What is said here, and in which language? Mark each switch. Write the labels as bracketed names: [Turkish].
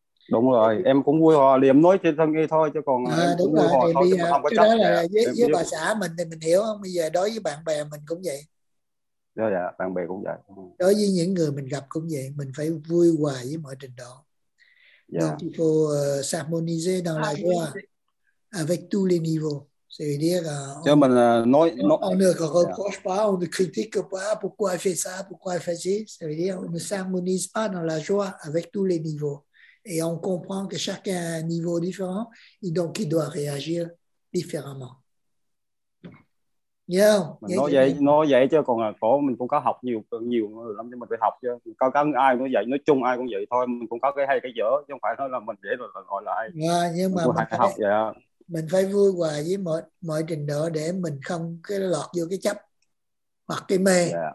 [Vietnamese] Đúng rồi, em cũng vui hòa thì em nói trên thân nghe thôi chứ còn đúng rồi, thì bây giờ đó là với bà xã mình thì mình hiểu không? Bây giờ đối với bạn bè mình cũng vậy. Dạ, bạn bè cũng vậy. Đối với những người mình gặp cũng vậy, mình phải vui hòa với mọi trình độ. [French] Donc il faut s'harmoniser dans la joie avec tous les niveaux. C'est-à-dire on ne reproche pas, on ne critique pas, pourquoi elle fait ça, pourquoi elle fait ci. Ça veut dire on ne s'harmonise pas dans la joie avec tous les niveaux. Et on comprend que chacun a un niveau différent et donc il doit réagir différemment. Yeah. [Vietnamese] Nói vậy chứ còn cổ mình cũng có học nhiều lắm chứ mình phải học chứ. Có ai cũng vậy, nói chung ai cũng vậy thôi, mình cũng có cái hay cái dở chứ không phải nói là mình dễ rồi gọi lại. Nhưng mà mình phải vui hòa với mọi trình độ để mình không cái lọt vô cái chấp hoặc cái mê.